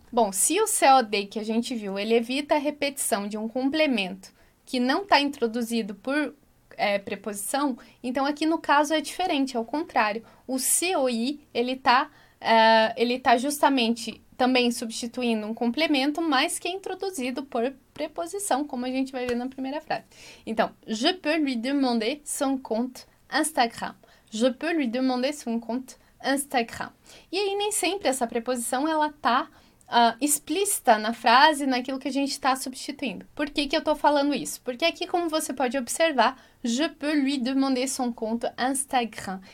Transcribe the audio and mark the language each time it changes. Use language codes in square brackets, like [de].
[pt] Bom, se o COD que a gente viu, ele evita a repetição de um complemento que não está introduzido por preposição, então, aqui no caso é diferente, é o contrário. O COI, ele tá justamente também substituindo um complemento, mas que é introduzido por preposição, como a gente vai ver na primeira frase. [fr] Então, je peux lui demander son compte Instagram. Je peux lui demander son compte Instagram. [pt] E aí, nem sempre essa preposição ela tá explícita na frase, naquilo que a gente está substituindo. Por que que eu estou falando isso? Porque aqui, como você pode observar, [fr] je peux lui demander son compte Instagram.